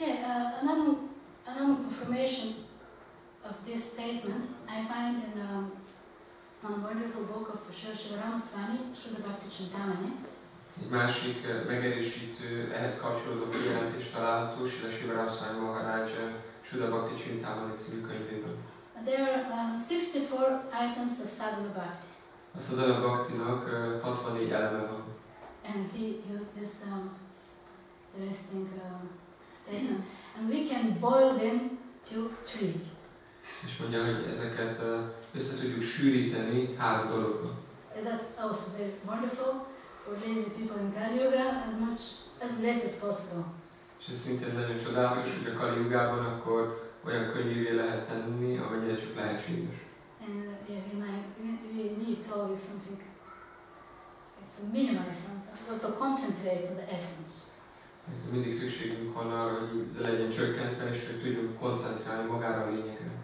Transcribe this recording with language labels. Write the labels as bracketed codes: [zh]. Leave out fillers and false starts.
[en] Another confirmation of this statement, I find in one wonderful book of Srila Ramaswamy, Shuddha Bhakti Chintamani. [hu] Egy másik megerősítő, ehhez kapcsolódó kijelentés található Srila Ramaswamy Maharaj Shuddha Bhakti Chintamani című könyvében. [en] There are 64 items of Sadhana Bhakti. [hu] A Sadhana Bhakti-nak 64 eleme van. [en] And he used this interesting statement. And we can boil them to 3. [hu] És mondja, hogy ezeket össze tudjuk sűríteni három dologba. [en] That's also very wonderful for lazy people in Kali Yuga, as much as less as possible. [hu] És ez szintén nagyon csodálatos, hogy a Kali Yugában akkor olyan könnyűvé lehet tenni, amennyire csak lehetséges. [en] And we need to always something like to minimize something, or to concentrate to the essence. [hu] Mindig szükségünk van arra, hogy legyen csökkentve, és hogy tudjunk koncentrálni magára a lényekre.